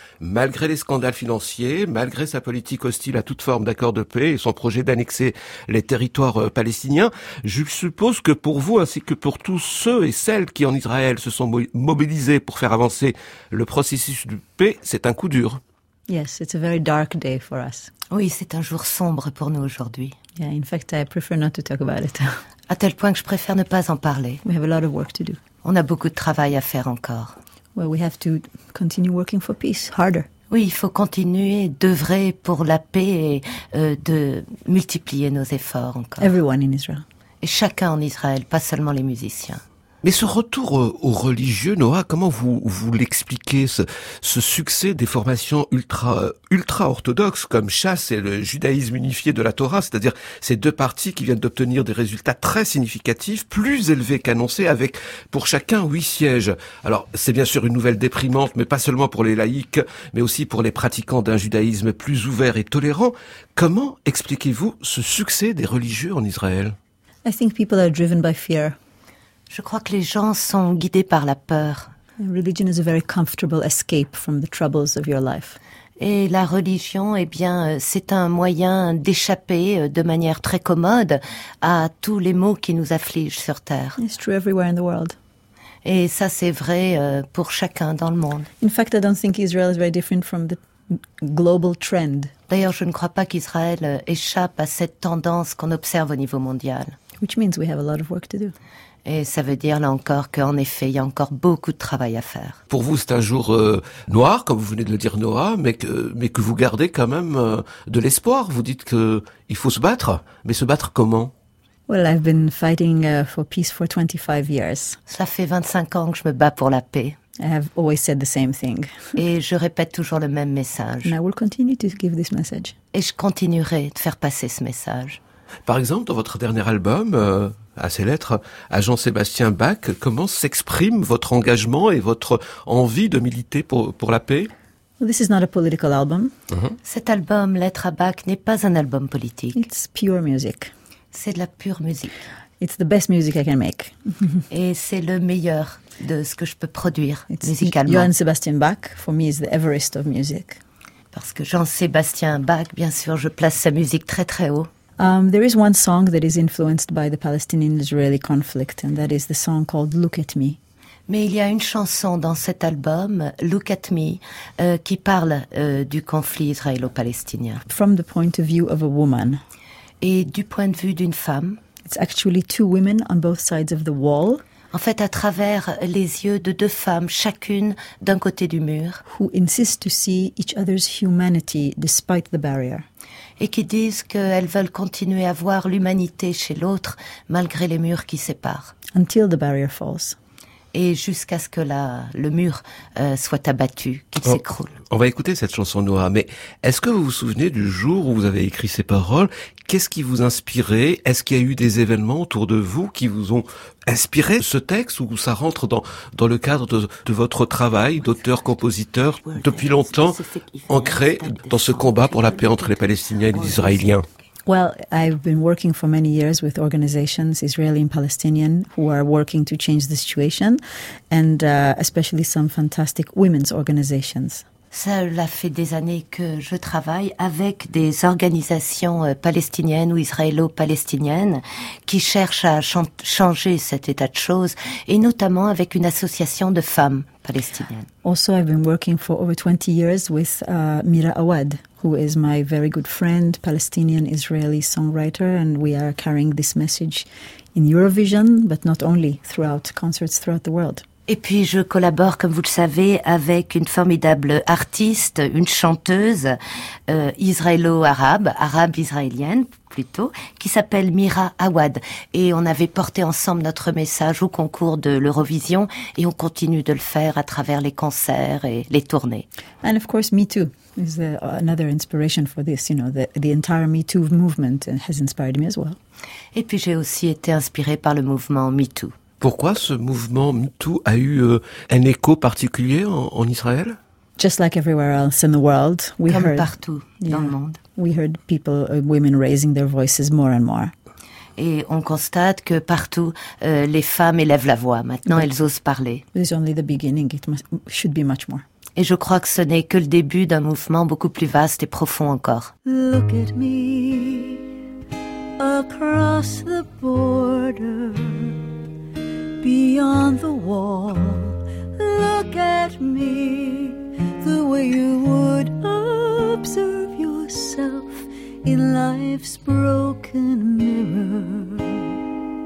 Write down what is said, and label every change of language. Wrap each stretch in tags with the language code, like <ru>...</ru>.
<fr>Malgré les scandales financiers, malgré sa politique hostile à toute forme d'accord de paix et son projet d'annexer les territoires palestiniens, je suppose que pour vous ainsi que pour tous ceux et celles qui en Israël se sont mobilisés pour faire avancer le processus de paix, c'est un coup dur.</fr> <en>Yes, it's a very dark day for us.</en> <fr>Oui, c'est un jour sombre pour nous aujourd'hui.</fr> <en>Yeah, in fact, I prefer not to talk about it.</en> <fr>À tel point que je préfère ne pas en parler.</fr> <en>We have a lot of work to do.</en> <fr>On a beaucoup de travail à faire encore.</fr> <en>Well, we have to continue working for peace harder.</en> <fr>Oui, il faut continuer d'œuvrer pour la paix et de multiplier nos efforts encore.</fr> <en>Everyone in Israel.</en> <fr>Et chacun en Israël, pas seulement les musiciens. Mais ce retour aux religieux, Noah, comment vous l'expliquez, ce succès des formations ultra orthodoxes comme Chass et le judaïsme unifié de la Torah, c'est-à-dire ces deux partis qui viennent d'obtenir des résultats très significatifs, plus élevés qu'annoncés, avec pour chacun 8 sièges. Alors, c'est bien sûr une nouvelle déprimante, mais pas seulement pour les laïcs, mais aussi pour les pratiquants d'un judaïsme plus ouvert et tolérant. Comment expliquez-vous ce succès des religieux en Israël?</fr> <en>I think people are driven by fear.</en> <fr>Je crois que les gens sont guidés par la peur.</fr> <en>Religion is a very comfortable escape from the troubles of your life.</en> <fr>Et la religion, eh bien, c'est un moyen d'échapper de manière très commode à tous les maux qui nous affligent sur terre.</fr> <en>It's true everywhere in the world.</en> <fr>Et ça, c'est vrai pour chacun dans le monde.</fr> <en>In fact, I don't think Israel is very different from the global trend.</en> <fr>D'ailleurs, je ne crois pas qu'Israël échappe à cette tendance qu'on observe au niveau mondial.</fr> <en>Which means we have a lot of work to do.</en> <fr>Et ça veut dire, là encore, qu'en effet, il y a encore beaucoup de travail à faire. Pour vous, c'est un jour noir, comme vous venez de le dire, Noah, mais que vous gardez quand même de l'espoir. Vous dites qu'il faut se battre, mais se battre comment?</fr> <en>Well, I've been fighting for peace for 25 years.</en> <fr>Ça fait 25 ans que je me bats pour la paix.</fr> <en>I have always said the same thing.</en> <fr>Et je répète toujours le même message.</fr> <en>And I will continue to give this message.</en> <fr>Et je continuerai de faire passer ce message. Par exemple, dans votre dernier album, à ces lettres, à Jean-Sébastien Bach, comment s'exprime votre engagement et votre envie de militer pour la paix?</fr> <en>Well, this is not a political album.</en> <fr>Cet album, Lettre à Bach, n'est pas un album politique.</fr> <en>It's pure music.</en> <fr>C'est de la pure musique.</fr> <en>It's the best music I can make.</en> <fr>Et c'est le meilleur de ce que je peux produire musicalement.</fr> <en>Johann Sebastian Bach, for me, is the Everest of music.</en> <fr>parce que Jean-Sébastien Bach, bien sûr, je place sa musique très très haut.</fr> <en>There is one song that is influenced by the Palestinian-Israeli conflict, and that is the song called Look at Me.</en> <fr>Mais il y a une chanson dans cet album, Look at Me, qui parle du conflit israélo-palestinien.</fr> <en>From the point of view of a woman.</en> <fr>Et du point de vue d'une femme.</fr> <en>It's actually two women on both sides of the wall.</en> <fr>En fait, à travers les yeux de deux femmes, chacune d'un côté du mur.</fr> <en>Who insist to see each other's humanity despite the barrier.</en> <fr>Et qui disent qu'elles veulent continuer à voir l'humanité chez l'autre malgré les murs qui séparent.</fr> <en>Until the barrier falls.</en> <fr>Et jusqu'à ce que la, le mur soit abattu, qu'il s'écroule. On va écouter cette chanson noire, mais est-ce que vous vous souvenez du jour où vous avez écrit ces paroles? Qu'est-ce qui vous inspirait? Est-ce qu'il y a eu des événements autour de vous qui vous ont inspiré ce texte, ou ça rentre dans le cadre de votre travail d'auteur-compositeur depuis longtemps ancré dans ce combat pour la paix entre les Palestiniens et les Israéliens?</fr> <en>Well, I've been working for many years with organizations, Israeli and Palestinian, who are working to change the situation, and especially some fantastic women's organizations.</en> <fr>Cela fait des années que je travaille avec des organisations palestiniennes ou israélo-palestiniennes qui cherchent à changer cet état de choses, et notamment avec une association de femmes palestiniennes.</fr> <en>Also, I've been working for over 20 years with Mira Awad, who is my very good friend, Palestinian-Israeli songwriter, and we are carrying this message in Eurovision, but not only, throughout concerts throughout the world.</en> <fr>Et puis je collabore, comme vous le savez, avec une formidable artiste, une chanteuse israélo-arabe, arabe-israélienne plutôt, qui s'appelle Mira Awad. Et on avait porté ensemble notre message au concours de l'Eurovision, et on continue de le faire à travers les concerts et les tournées.</fr> <en>And of course, Me Too is another inspiration for this. You know, the entire Me Too movement has inspired me as well.</en> <fr>Et puis j'ai aussi été inspirée par le mouvement Me Too. Pourquoi ce mouvement MeToo a eu un écho particulier en Israël?</fr> <en>Just like everywhere else in the world, we</en> <fr>comme</fr> <en>heard,</en> <fr>partout yeah, dans le monde.</fr> <en>We heard people, women raising their voices more and more.</en> <fr>Et on constate que partout, les femmes élèvent la voix. Maintenant, elles osent parler.</fr> <en>It's only the beginning. It must, should be much more.</en> <fr>Et je crois que ce n'est que le début d'un mouvement beaucoup plus vaste et profond encore.</fr> <en>Look at me across the border. Beyond the wall, look at me the way you would observe yourself in life's broken mirror.</en>